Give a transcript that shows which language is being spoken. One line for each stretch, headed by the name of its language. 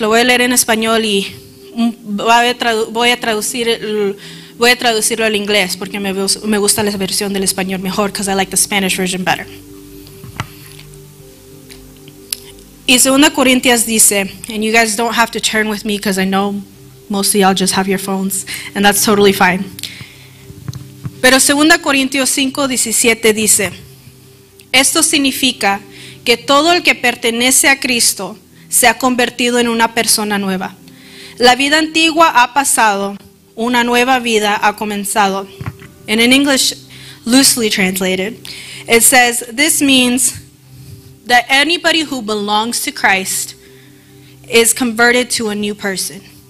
Spanish: Lo voy a leer en español y voy a traducirlo al inglés porque me gusta la versión del español mejor,
English: because I like the Spanish version better.
Spanish: Y 2 Corintias dice,
English: and you guys don't have to turn with me because I know most of y'all just have your phones, and that's totally fine.
Spanish: Pero 2 Corintios 5:17 dice, esto significa que todo el que pertenece a Cristo se ha convertido en una persona nueva. La vida antigua ha pasado, una nueva vida ha comenzado.
English: And in English, loosely translated, it says, this means that anybody who belongs to Christ is converted to a new person.